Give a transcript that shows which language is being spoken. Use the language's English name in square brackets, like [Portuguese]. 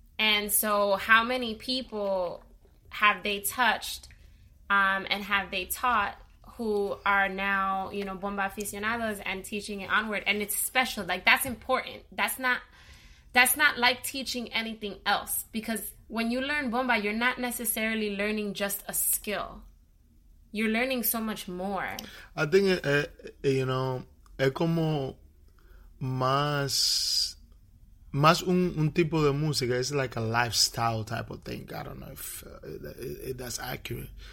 [English] And so how many people have they touched and have they taught who are now, you know, bomba aficionados and teaching it onward? And it's special. Like, that's important. That's not like teaching anything else. Because when you learn bomba, you're not necessarily learning just a skill. You're learning so much more. I think, you know, [Spanish] es como más un tipo de música. [English] It's like a lifestyle type of thing. I don't know if that's accurate.